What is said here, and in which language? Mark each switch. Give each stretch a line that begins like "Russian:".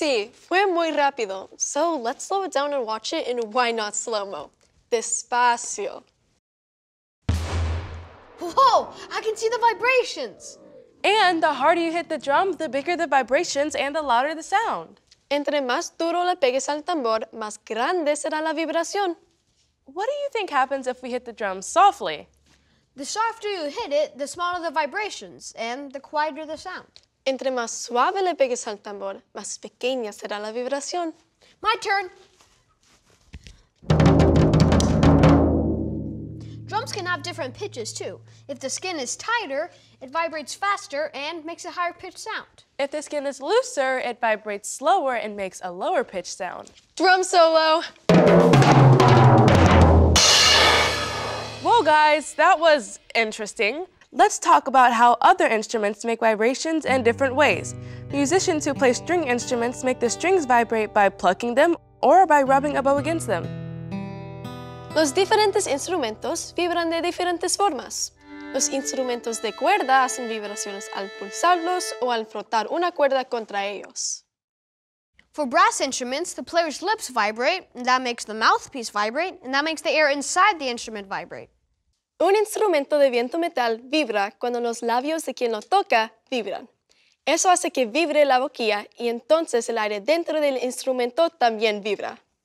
Spanish: Sí, fue muy rápido.
English: So let's slow it down and watch it in why not slow-mo.
Spanish: Despacio.
English: Whoa, I can see the vibrations. And the harder you hit the drum, the bigger the vibrations and the louder the sound.
Spanish: Entre más duro le pegues al tambor, más grande será la vibración.
English: What do you think happens if we hit the drum softly? The softer you hit it, the smaller the vibrations, and the quieter the sound.
Spanish: Entre más suave le pegues al tambor, más pequeña será la vibración.
English: My turn! Drums can have different pitches, too. If the skin is tighter, it vibrates faster and makes a higher pitch sound. If the skin is looser, it vibrates slower and makes a lower pitch sound. Drum solo! Whoa, guys, that was interesting. Let's talk about how other instruments make vibrations in different ways. Musicians who play string instruments make the strings vibrate by plucking them or by rubbing a bow against them.
Spanish: Los diferentes instrumentos vibran de diferentes formas. Los instrumentos de cuerda hacen vibraciones al pulsarlos o al frotar una cuerda contra ellos.
English: For brass instruments, the player's lips vibrate, and that makes the mouthpiece vibrate, and that makes the air inside the instrument vibrate.
Spanish: Un instrumento de viento metal vibra cuando los labios de quien lo toca vibran. Eso hace que vibre la boquilla y entonces el aire dentro del instrumento también vibra.